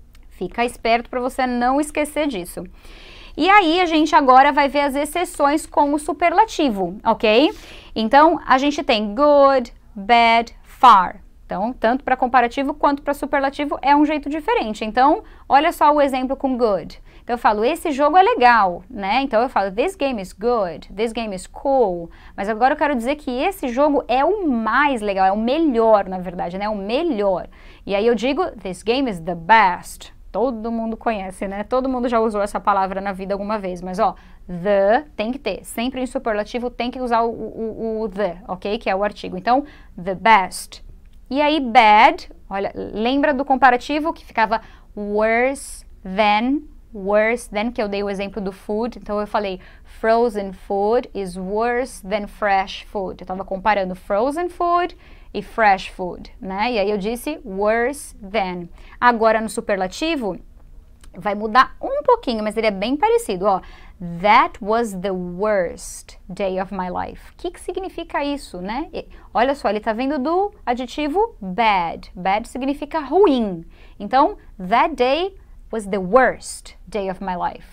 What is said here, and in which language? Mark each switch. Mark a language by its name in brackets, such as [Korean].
[Portuguese] Fica esperto para você não esquecer disso. E aí, a gente agora vai ver as exceções com o superlativo, ok? Então, a gente tem good, bad, far. Então, tanto para comparativo quanto para superlativo é um jeito diferente. Então, olha só o exemplo com good. Então, eu falo, esse jogo é legal, né? Então, eu falo, [English] this game is good, this game is cool. [Portuguese] Mas agora eu quero dizer que esse jogo é o mais legal, é o melhor, na verdade, né? O melhor. E aí eu digo, [English] this game is the best. [Portuguese] Todo mundo conhece, né? Todo mundo já usou essa palavra na vida alguma vez. Mas, ó, the tem que ter. Sempre em superlativo tem que usar o the, ok? Que é o artigo. Então, the best. E aí, bad, olha, lembra do comparativo que ficava worse than, que eu dei o exemplo do food, então eu falei, [English] frozen food is worse than fresh food. [Portuguese] Eu tava comparando frozen food e fresh food, né? E aí eu disse, worse than. Agora, no superlativo, vai mudar um pouquinho, mas ele é bem parecido, ó. [English] That was the worst day of my life. [Portuguese] O que, que significa isso, né? E, olha só, ele tá vindo do adjetivo bad. Bad significa ruim. [English] Então, that day was the worst day of my life.